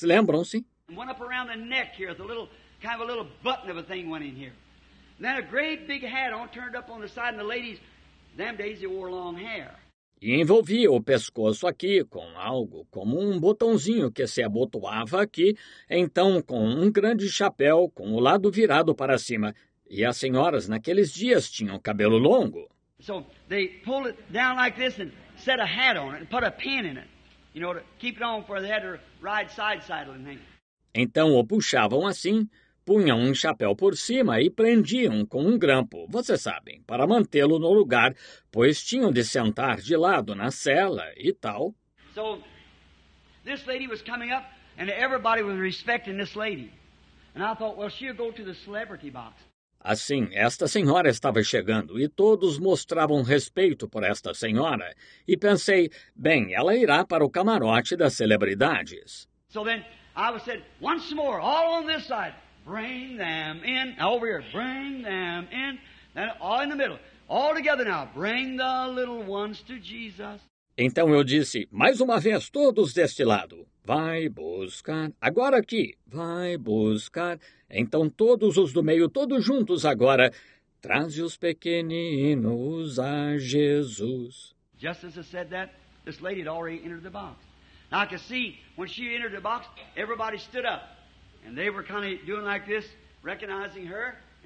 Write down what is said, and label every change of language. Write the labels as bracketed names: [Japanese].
[Portuguese] Lembram-se? [English] Went up around the neck here, the little, kind of a little button of a thing went in here. And then a great big hat all turned up on the side, and the ladies, them days they wore long hair. [Portuguese] E envolvia o pescoço aqui com algo como um botãozinho que se abotoava aqui, então com um grande chapéu com o lado virado para cima. E as senhoras naqueles dias tinham cabelo longo. [English] So they pulled it down like this and set a hat on it and put a pin in it, you know, to keep it on for the head to ride side saddle and thing. [Portuguese] Então o puxavam assim, punham um chapéu por cima e prendiam com um grampo, vocês sabem, para mantê-lo no lugar, pois tinham de sentar de lado na sela e tal. [English] So this lady was coming up and everybody was respecting this lady. And I thought, well, she'll go to the celebrity box. [Portuguese] Assim, esta senhora estava chegando e todos mostravam respeito por esta senhora. E pensei, bem, ela irá para o camarote das celebridades. [English] So then, I was said, once more, all on this side, bring them in, over here, bring them in, then all in the middle, all together now, bring the little ones to Jesus. [Portuguese] Então eu disse, mais uma vez, todos deste lado, vai buscar, agora aqui, vai buscar. Então todos os do meio, todos juntos agora, traze os pequeninos a Jesus. [English] Just as I said that, this lady had already entered the box. Now I could see, when she entered the box, everybody stood up. And they were kind of doing like this, recognizing her.